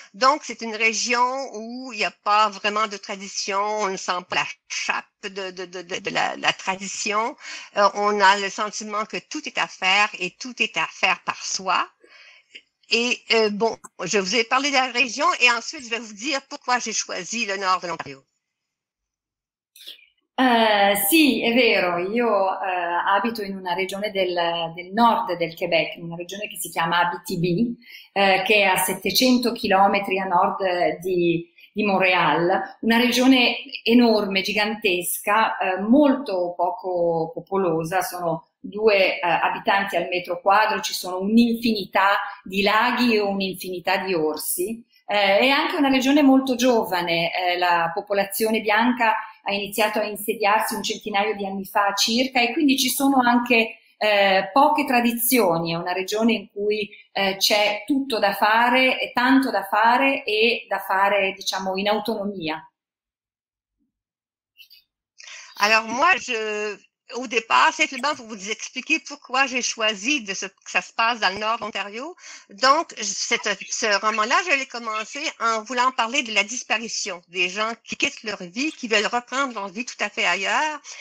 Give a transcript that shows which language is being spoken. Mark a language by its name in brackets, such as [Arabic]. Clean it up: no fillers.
[French] Donc, c'est une région où il n'y a pas vraiment de tradition, on ne sent pas la chape de la tradition. On a le sentiment que tout est à faire et tout est à faire par soi. Et bon, je vous ai parlé de la région et ensuite je vais vous dire pourquoi j'ai choisi le nord de l'Ontario. [Italian] Sì, è vero, io abito in una regione del nord del Quebec, una regione che si chiama Abitibi, che è a 700 km a nord di Montréal, una regione enorme, gigantesca, molto poco popolosa. Sono due abitanti al metro quadro, ci sono un'infinità di laghi o un'infinità di orsi. È anche una regione molto giovane, la popolazione bianca ha iniziato a insediarsi un centinaio di anni fa circa, e quindi ci sono anche poche tradizioni. È una regione in cui c'è tutto da fare, e tanto da fare, e da fare, diciamo, in autonomia. Allora, moi, [French] Au départ, simplement pour vous expliquer pourquoi j'ai choisi de ce, que ça se passe dans le nord d'Ontario. Donc, ce roman-là, je l'ai commencé en voulant parler de la disparition des gens qui quittent leur vie, qui veulent reprendre leur vie tout à fait ailleurs.